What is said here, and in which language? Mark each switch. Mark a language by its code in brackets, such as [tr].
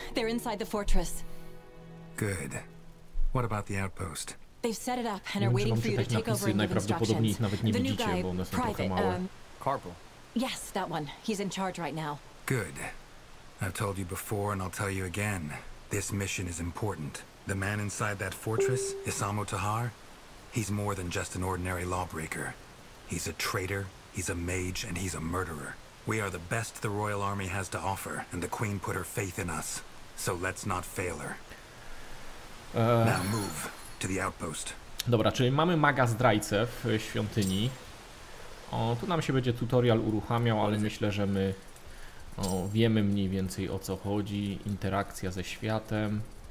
[en] They're inside the fortress. Good. What about the outpost? They've set it up and are waiting for you to take over and give instructions. [pl] Nawet nie widzicie, bo one są trochę małe. [en] Corporal. Yes, that one. He's in charge right now. Good. I've told you before and I'll tell you again. This mission is important. The man inside that fortress, Isamo Tahar, he's more than just an ordinary lawbreaker. He's a traitor, he's a mage, and he's a murderer. We are the best the Royal Army has to offer, and the Queen put her faith in us. So let's not fail her. Now move to the outpost. [pl] Dobra, czyli mamy maga zdrajcę w świątyni. O, tu nam się będzie tutorial uruchamiał, ale myślę, że my wiemy mniej więcej, o co chodzi. Interakcja ze światem.